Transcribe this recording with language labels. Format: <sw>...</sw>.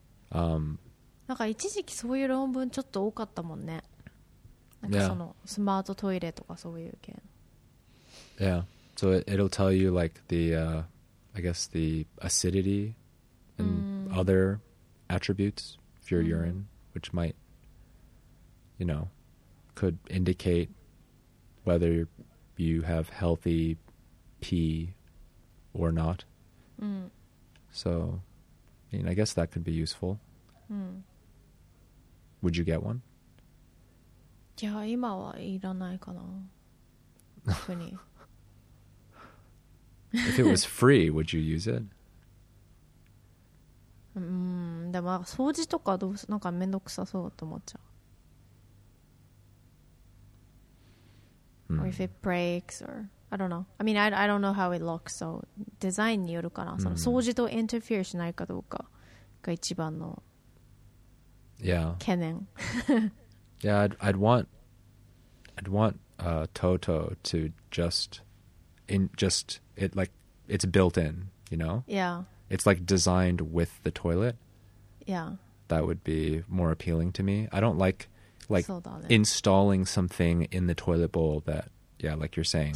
<ja>なんか一時期そういう論文ちょっと多かったもんね。なんかそのスマートトイレとかそういう系。</ja> <en>Yeah. So it'll tell you like the, I guess the acidity and mm. other attributes of your mm. urine, which might, you know, could indicate whether you have healthy pee or not. Mm. So, I mean, I guess that could be useful. Mm. Would you get one?</en> <ja>いや、今はいらないかな。特に。</ja> <en>If it was free, would you use it?</en> <ja>でも掃除とかどうす、なんかめんどくさそうと思っちゃう。 Mm.</ja> <en>Or if it breaks, or I don't know. I mean, I don't know how it looks.</en> <ja>So, デザインによるかな。Mm. その掃除とインターフェアしないかどうかが一番の懸念。</ja> <en>Yeah. Yeah, I'd want Toto to just it like it's built in, you know? Yeah. It's like designed with the toilet. Yeah. That would be more appealing to me. I don't like installing something in the toilet bowl that yeah, like you're saying,</en>